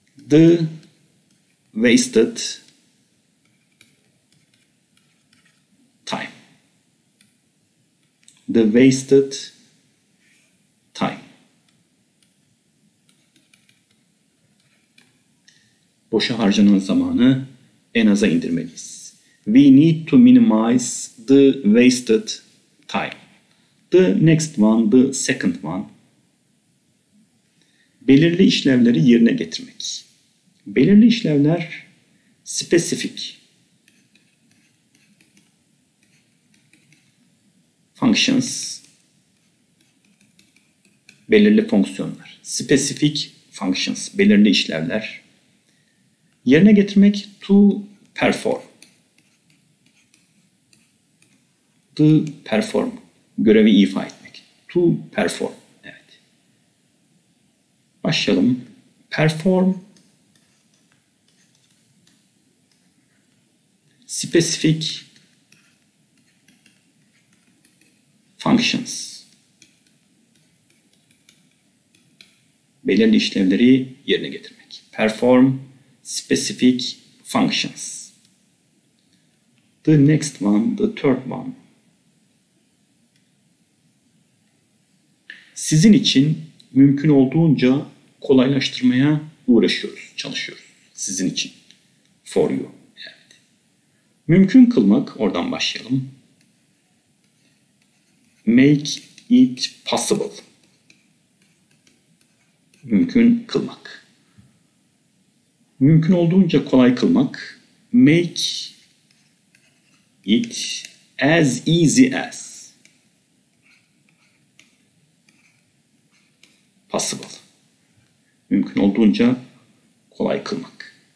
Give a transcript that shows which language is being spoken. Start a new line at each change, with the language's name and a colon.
English: The wasted time. The wasted time.
Turkish: Boşa harcanan zamanı en aza indirmeliyiz.
English: We need to minimize the wasted time. The next one, the second one.
Turkish: Belirli işlevleri yerine getirmek. Belirli işlevler
English: specific functions,
Turkish: belirli fonksiyonlar.
English: Specific functions,
Turkish: belirli işlevler yerine getirmek,
English: to perform. To perform,
Turkish: görevi ifa etmek.
English: To perform,
Turkish: evet. Başlayalım.
English: Perform specific functions.
Turkish: Belirli işlevleri yerine getirmek.
English: Perform specific functions. The next one, the third one.
Turkish: Sizin için mümkün olduğunca kolaylaştırmaya uğraşıyoruz, çalışıyoruz. Sizin için.
English: For you.
Turkish: Mümkün kılmak, oradan başlayalım.
English: Make it possible.
Turkish: Mümkün kılmak. Mümkün olduğunca kolay kılmak.
English: Make it as easy as possible.
Turkish: Mümkün olduğunca kolay kılmak.